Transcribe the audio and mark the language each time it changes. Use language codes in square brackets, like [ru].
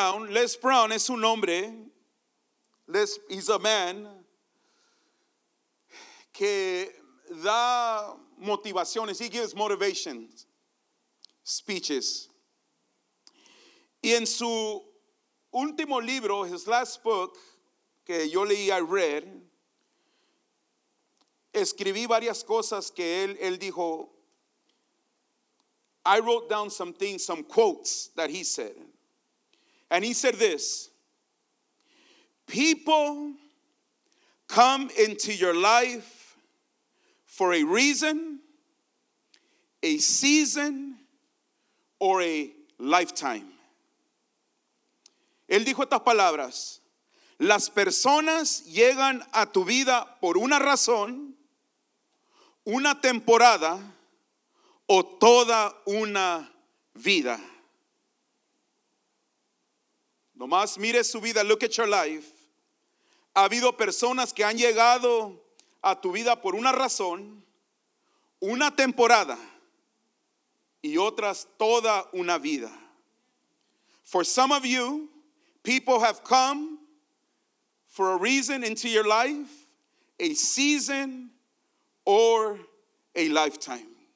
[es] Les Brown es un hombre. [en] He's a man [es] que da motivaciones. [en] He gives motivation speeches. [es] Y en su último libro, [en] his last book, [es] que yo leí, [en] I read, [es] escribí varias cosas que él dijo. [en] I wrote down some things, some quotes that he said. And he said this: people come into your life for a reason, a season, or a lifetime. [es] Él dijo estas palabras: las personas llegan a tu vida por una razón, una temporada, o toda una vida. Nomás mire su vida, [en] look at your life. [es] Ha habido personas que han llegado a tu vida por una razón, una temporada, y otras toda una vida. [en] For some of you, people have come for a reason into your life, a season, or a lifetime.